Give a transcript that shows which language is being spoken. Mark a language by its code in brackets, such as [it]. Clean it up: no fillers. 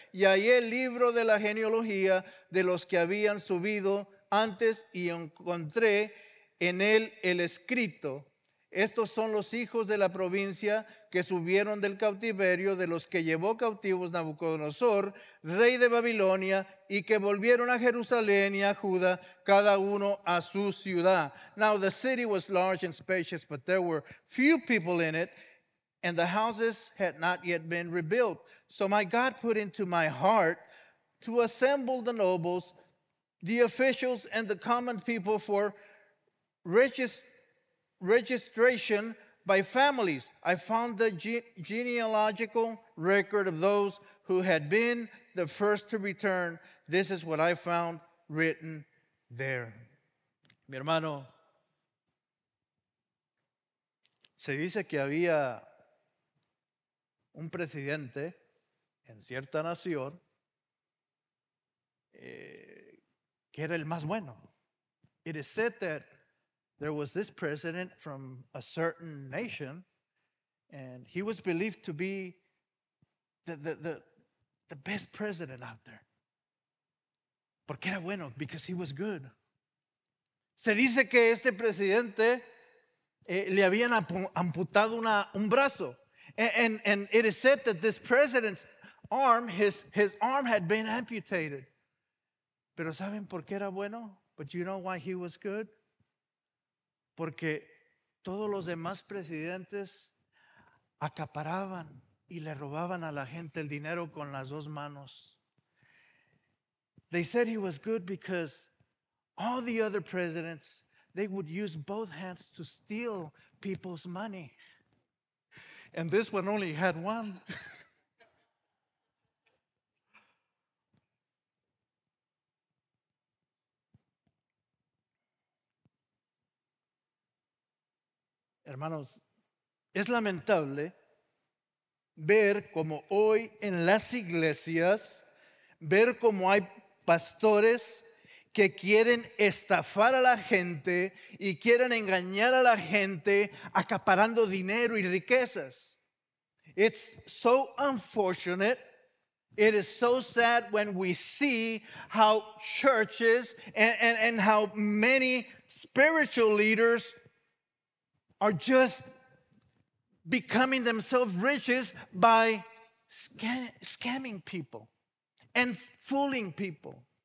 [es] Y hallé el libro de la genealogía de los que habían subido antes y encontré en él el escrito. Estos son los hijos de la provincia que subieron del cautiverio de los que llevó cautivos Nabucodonosor, rey de Babilonia, y que volvieron a Jerusalén y a Judá, cada uno a su ciudad. [en] Now the city was large and spacious, but there were few people in it, and the houses had not yet been rebuilt. So my God put into my heart to assemble the nobles, the officials, and the common people for registration by families. I found the genealogical record of those who had been the first to return. This is what I found written there. [es] Mi hermano, se dice que había un presidente en cierta nación que era el más bueno. [en] It is said that there was this president from a certain nation, and he was believed to be the best president out there. [es] Porque era bueno, [en] because he was good. [es] Se dice que este presidente le habían amputado un brazo. [en] And it is said that this president's arm, his arm had been amputated. [es] Pero ¿saben por qué era bueno? [en] But you know why he was good? [es] Porque todos los demás presidentes acaparaban y le robaban a la gente el dinero con las dos manos. [en] They said he was good because all the other presidents, they would use both hands to steal people's money. And this one only had one. [es] Hermanos, es lamentable ver como hoy en las iglesias, ver como hay pastores que quieren estafar a la gente y quieren engañar a la gente acaparando dinero y riquezas. [en] It's so unfortunate. It is so sad when we see how churches and how many spiritual leaders are just becoming themselves riches by scamming people and fooling people.